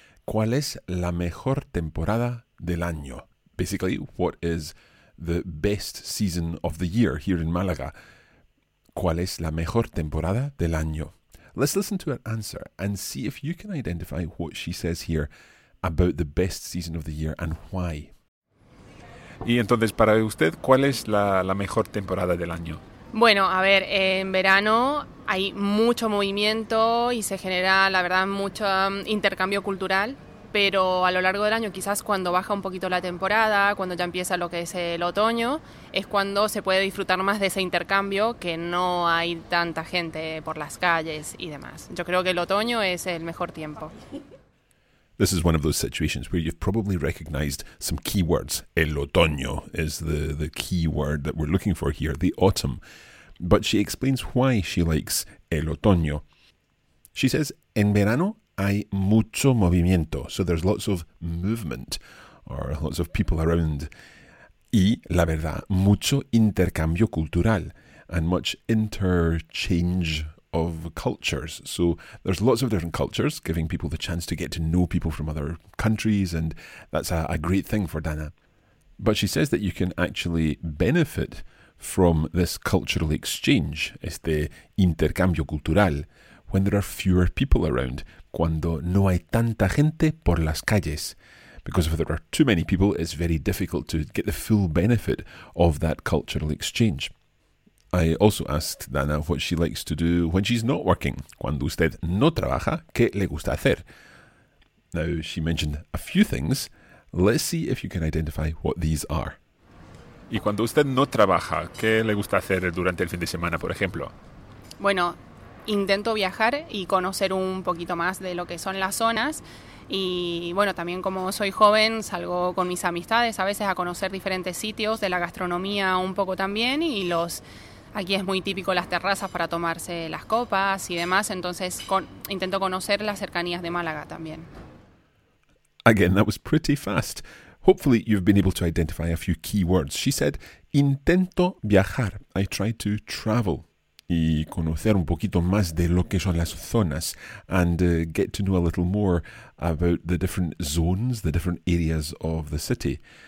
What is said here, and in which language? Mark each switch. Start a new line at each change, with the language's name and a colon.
Spanish: ¿Cuál es la mejor temporada del año?
English: Basically, what is the best season of the year here in Málaga?
Spanish: ¿Cuál es la mejor temporada del año?
English: Let's listen to her answer and see if you can identify what she says here about the best season of the year and why.
Spanish: Y entonces, para usted, ¿cuál es la mejor temporada del año? Bueno, a ver, en verano hay mucho movimiento y se genera, la verdad, mucho intercambio cultural. Pero a lo largo del año, quizás cuando baja un poquito la temporada, cuando ya empieza lo que es el otoño, es cuando se puede disfrutar más de ese intercambio, que no hay tanta gente por las calles y demás. Yo creo que el otoño es el mejor tiempo.
English: This is one of those situations where you've probably recognized some keywords.
Spanish: El otoño
English: is the key word that we're looking for here, the autumn. But she explains why she likes
Spanish: el otoño.
English: She says,
Spanish: en verano hay mucho movimiento,
English: so there's lots of movement, or lots of people around.
Spanish: Y, la verdad, mucho intercambio cultural,
English: and much interchange of cultures. So there's lots of different cultures, giving people the chance to get to know people from other countries, and that's a great thing for Dana. But she says that you can actually benefit from this cultural exchange,
Spanish: este intercambio cultural,
English: when there are fewer people around,
Spanish: cuando no hay tanta gente por las calles.
English: Because if there are too many people, it's very difficult to get the full benefit of that cultural exchange. I also asked Dana what she likes to do when she's not working.
Spanish: Cuando usted no trabaja, ¿qué le gusta hacer?
English: Now, she mentioned a few things. Let's see if you can identify what these are.
Spanish: Y cuando usted no trabaja, ¿qué le gusta hacer durante el fin de semana, por ejemplo? Bueno, intento viajar y conocer un poquito más de lo que son las zonas. Y bueno, también como soy joven, salgo con mis amistades a veces a conocer diferentes sitios de la gastronomía un poco también. Y los aquí es muy típico las terrazas para tomarse las copas y demás. Entonces intento conocer las cercanías de Málaga también.
English: Again, that was pretty fast. Hopefully you've been able to identify a few key words. She said,
Spanish: intento viajar.
English: I try to travel.
Spanish: Y conocer un poquito más de lo que son las zonas
English: and get to know a little more about the different zones, the different areas of the city.